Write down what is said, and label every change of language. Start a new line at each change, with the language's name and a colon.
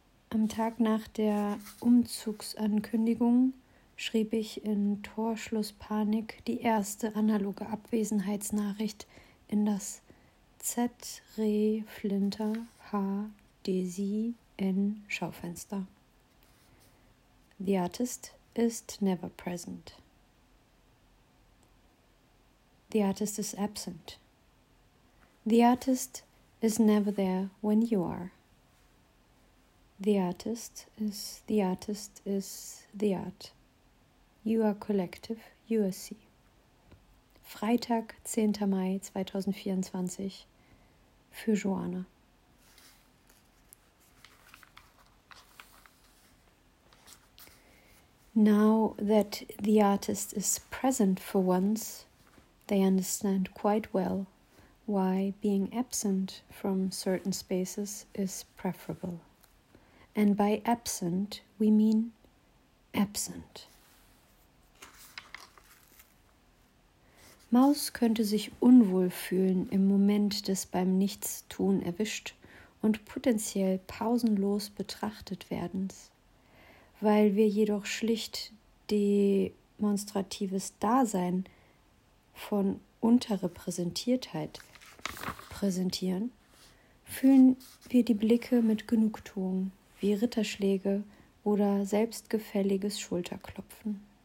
German: Am Tag nach der Umzugsankündigung schrieb ich in Torschlusspanik die erste analoge Abwesenheitsnachricht in das Z-Re-Flinter-H-D-S-I-N-Schaufenster.
English: The Artist ist never present. The artist is absent. The artist is never there when you are. The artist is the art. You are collective, you are see.
German: Freitag, 10. Mai 2024 für Joanna.
English: Now that the artist is present for once, They understand quite well why being absent from certain spaces is preferable. And by absent, we mean absent.
German: Maus könnte sich unwohl fühlen im Moment des beim Nichtstun erwischt und potenziell pausenlos betrachtet werdens. Weil wir jedoch schlicht demonstratives Dasein von Unterrepräsentiertheit präsentieren, fühlen wir die Blicke mit Genugtuung, wie Ritterschläge oder selbstgefälliges Schulterklopfen.